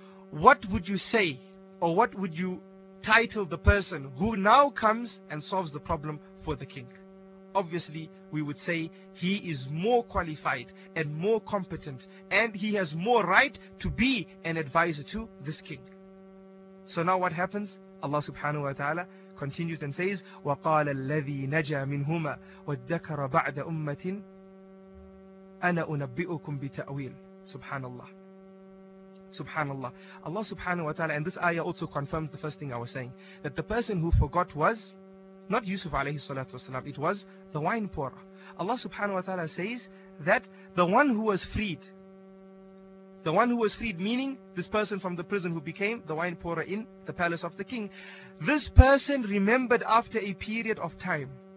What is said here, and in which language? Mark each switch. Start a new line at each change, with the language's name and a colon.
English: What would you say, or what would you title the person who now comes and solves the problem for the king? Obviously, we would say he is more qualified and more competent, and he has more right to be an advisor to this king. So now what happens? Allah subhanahu wa ta'ala continues and says,
Arabic: وَقَالَ الَّذِي نَجَى مِنْهُمَا وَادَّكَرَ بَعْدَ أُمَّةٍ أَنَا أُنَبِّئُكُمْ بِتَأْوِيلٍ. Subhanallah. Subhanallah.
English: Allah subhanahu wa ta'ala, and this ayah also confirms the first thing I was saying, that the person who forgot was not Yusuf alayhi salatu wasalam, it was the wine pourer. Allah subhanahu wa ta'ala says that the one who was freed, meaning this person from the prison who became the wine pourer in the palace of the king, this person remembered after a period of time.